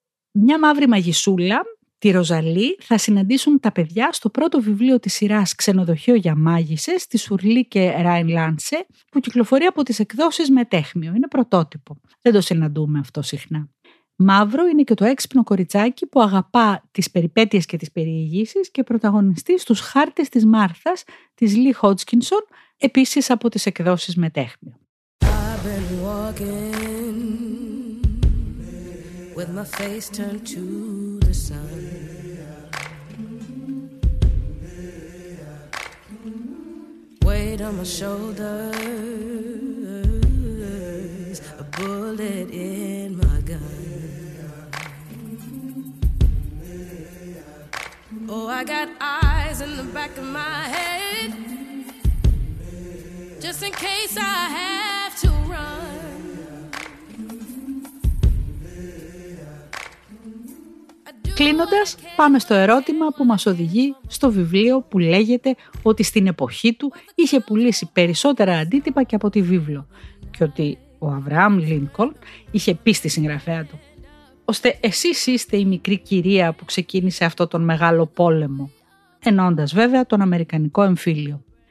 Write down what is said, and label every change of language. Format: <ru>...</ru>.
<el>Μια μαύρη μαγισούλα, τη Ροζαλή, θα συναντήσουν τα παιδιά στο πρώτο βιβλίο της σειράς «Ξενοδοχείο για μάγισσες» της Σουρλί και Ράιν Λάνσε, που κυκλοφορεί από τις εκδόσεις Μετέχμιο. Είναι πρωτότυπο. Δεν το συναντούμε αυτό συχνά. Μαύρο είναι και το έξυπνο κοριτσάκι που αγαπά τις περιπέτειες και τις περιηγήσεις και πρωταγωνιστεί στους «Χάρτες της Μάρθας» της Λι Χότσκινσον, επίσης από τις εκδόσεις Μετέχμιο.</el> <en>been walking with my face turned to the sun. Weight on my shoulders, a bullet in my gun. Oh, I got eyes in the back of my head, just in case I have to run.</en> <el>Κλείνοντας, πάμε στο ερώτημα που μας οδηγεί στο βιβλίο που λέγεται ότι στην εποχή του είχε πουλήσει περισσότερα αντίτυπα και από τη βίβλο και ότι ο Αβραάμ Λίνκολν είχε πει στη συγγραφέα του «Ωστε εσείς είστε η μικρή κυρία που ξεκίνησε αυτό τον μεγάλο πόλεμο», εννοώντας βέβαια τον Αμερικανικό εμφύλιο.</el>